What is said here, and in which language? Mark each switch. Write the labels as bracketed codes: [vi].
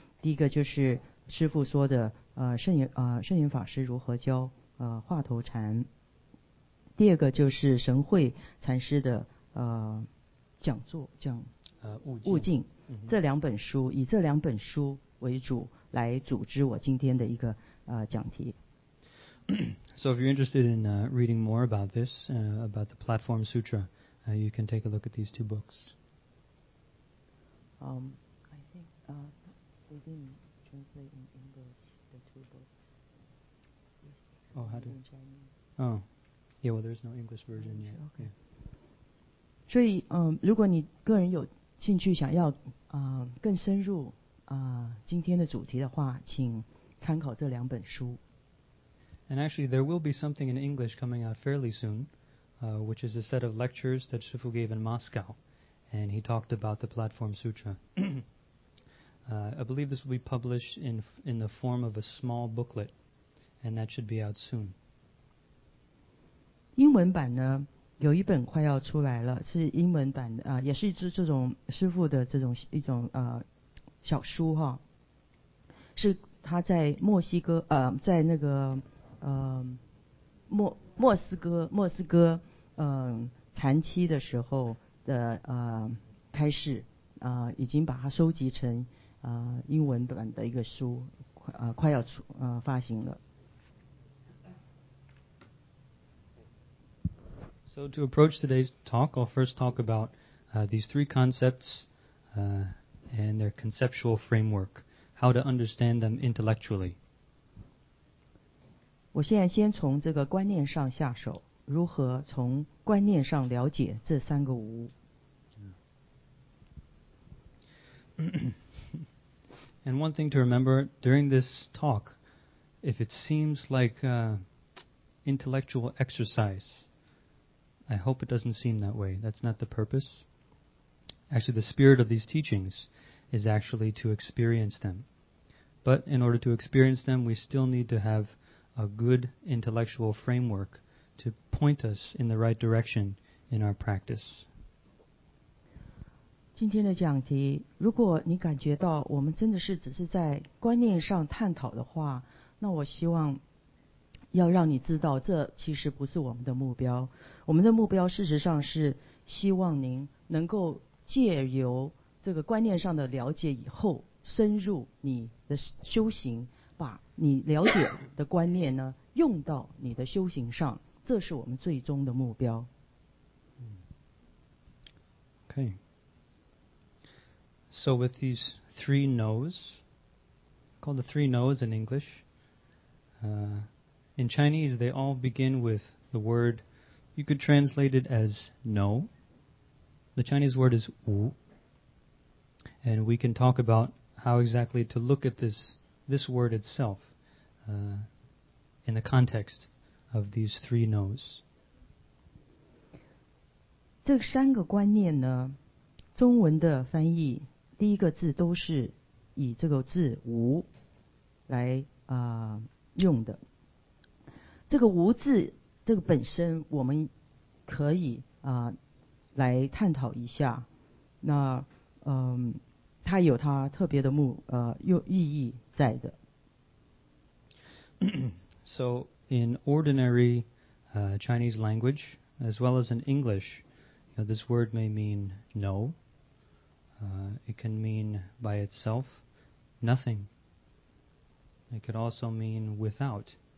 [zh] 第一个就是师父说的圣严法师如何教华头禅。第二个就是神会禅师的讲座讲悟境。这两本书以这两本书为主。来组织我今天的一个讲题。 [en] So if you're interested in reading more about this, about the Platform Sutra, you can take a look at these two books. I think we didn't translate in English the two books. Oh, how do you? Oh, yeah, well, there's no English version yet. Okay. Yeah. [zh] 所以，如果你个人有兴趣想要更深入今天的主题的话，请参考这两本书。 [en] And actually, there will be something in English coming out fairly soon, which is a set of lectures that Shifu gave in Moscow, and he talked about the Platform Sutra. I believe this will be published in the form of a small booklet, and that should be out soon. [zh] 英文版呢？有一本快要出来了，是英文版的，也是一支这种师父的这种一种小书哈，是他在墨西哥在那个莫斯科禅期的时候的开示，已经把它收集成英文版的一个书，快要出发行了。 [en] So to approach today's talk, I'll first talk about these three concepts and their conceptual framework, how to understand them intellectually. [zh] 我现在先从这个观念上下手，如何从观念上了解这三个无。 [en] And one thing to remember during this talk, if it seems like intellectual exercise,I hope it doesn't seem that way. That's not the purpose. Actually, the spirit of these teachings is actually to experience them. But in order to experience them, we still need to have a good intellectual framework to point us in the right direction in our practice. [zh] 今天的讲题，如果你感觉到我们真的是只是在观念上探讨的话，那我希望要让你知道，这其实不是我们的目标。我们的目标事实上是希望您能够借由这个观念上的了解以后，深入你的修行，把你了解的观念呢用到你的修行上，这是我们最终的目标。 [en] Okay. So with these three no's, called the three no's in English, in Chinese, they all begin with the word, you could translate it as no. The Chinese word is wu. And we can talk about how exactly to look at this word itself in the context of these three no's. [zh] 这三个观念呢，中文的翻译，第一个字都是以这个字wu来用的。这个无字，这个本身我们可以来探讨一下。那它有它特别的寓意在的。 [en] So in ordinary Chinese language, as well as in English, you know, this word may mean no. It can mean by itself, nothing. It could also mean without.